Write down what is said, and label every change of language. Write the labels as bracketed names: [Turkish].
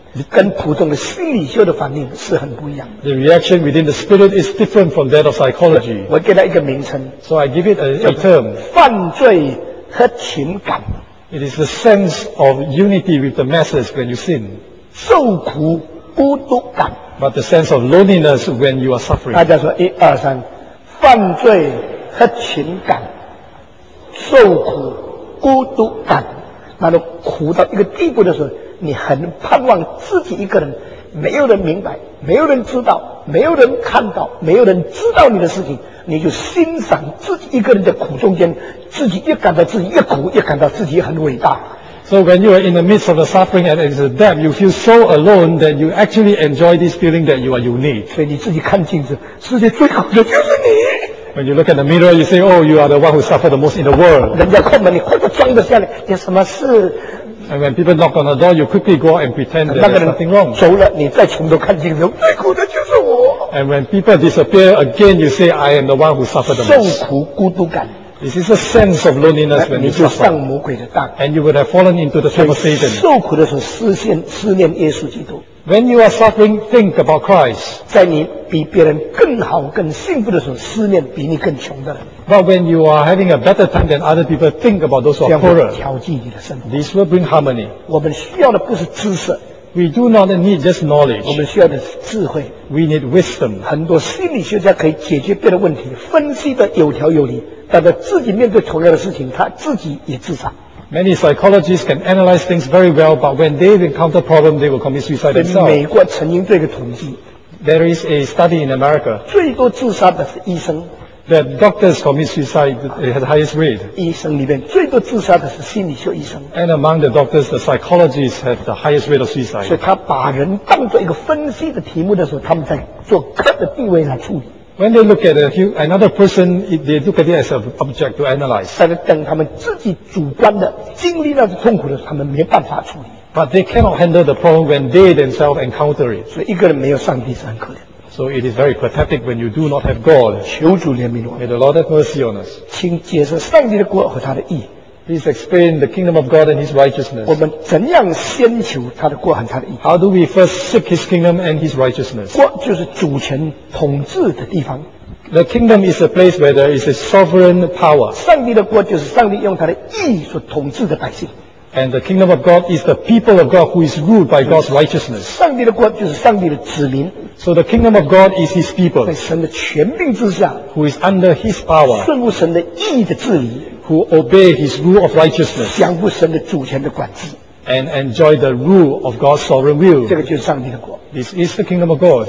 [Chinese] 跟普通的心理学的反应是很不一样的。 [English] The reaction within the spirit is different from that of psychology. [Chinese] 我给它一个名称。 [English] So I give it a term. [Chinese] 犯罪和情感。 [English] It is the sense of unity with the masses when you sin. [Chinese] 受苦孤独感。 [English] But the sense of loneliness when you are suffering. [Chinese] 大家说一二三，犯罪和情感，受苦孤独感，那都苦到一个地步的时候。你很盼望自己一个人，没有人明白，没有人知道，没有人看到，没有人知道你的事情，你就欣赏自己一个人的苦中间，自己越感到自己越苦，越感到自己很伟大。 [English] So when you are in the midst of the suffering and it's a damn, you feel so alone that you actually enjoy this feeling that you are unique. [Chinese] 所以你自己看镜子，世界最好的就是你。 [English] When you look at the mirror, you say, "Oh, you are the one who suffered the most in the world." [Chinese] 人家开门，你快点装得下来，有什么事？ [English] And when people knock on the door, you quickly go out and pretend that there's nothing wrong. [Chinese] 走了，你再从头看镜头，最苦的就是我。 [English] And when people disappear again, you say, I am the one who suffered the most. [Chinese] 受苦孤独感。 [English] This is a sense of loneliness when you suffer. [Chinese] 你就上魔鬼的当。 [English] And you would have fallen into the trap of Satan. [Chinese] 受苦的时候思念耶稣基督。 [English] When you are suffering, think about Christ. [Chinese] 在你比别人更好更幸福的时候思念比你更穷的人。 [English] But when you are having a better time than other people, think about those who are poorer. [Chinese] 调剂你的生活。 [English] This will bring harmony. [Chinese] 我们需要的不是知识。 [English] We do not need just knowledge. [Chinese] 我们需要的是智慧。 [English] We need wisdom. [Chinese] 很多心理学家可以解决别的问题，分析的有条有理，但是自己面对同样的事情，他自己也自杀。 [English] Many psychologists can analyze things very well, but when they encounter problems, they will commit suicide themselves. [Chinese] 美国曾经做一个统计。 [English] There is a study in America. [Chinese] 最多自杀的是医生。 [English] That doctors commit suicide has the highest rate. [Chinese] 医生里面最多自杀的是心理学医生。 [English] And among the doctors, the psychologists have the highest rate of suicide. [Chinese] 所以他把人当作一个分析的题目的时候，他们在做客的地位来处理。 [English] When they look at another person, they look at it as an object to analyze. [Chinese] 但是等他们自己主观的经历了痛苦的时候，他们没办法处理。 [English] But they cannot handle the problem when they themselves encounter it. [Chinese] 所以一个人没有上帝是很可怜。 [English] So it is very pathetic when you do not have God. [Chinese] 求主怜悯我。 [English] May the Lord have mercy on us. [Chinese] 请解释上帝的国和他的义。 [English] Please explain the kingdom of God and His righteousness. [Chinese] 我们怎样先求他的国和他的义？ [English] How do we first seek His kingdom and His righteousness? [Chinese] 国就是主权统治的地方。 [English] The kingdom is a place where there is a sovereign power. [Chinese] 上帝的国就是上帝用他的义所统治的百姓。 [English] And the kingdom of God is the people of God who is ruled by God's righteousness. [Chinese] 上帝的国就是上帝的子民。 [English] So the kingdom of God is His people. [Chinese] 在神的权柄之下。 [English] Who is under His power. [Chinese] 顺服神的义的治理。 [English] Who obey His rule of righteousness. [Chinese] 享受神的主权的管制。 [English] And enjoy the rule of God's sovereign will. [Chinese] 这个就是上帝的国。 [English] This is the kingdom of God.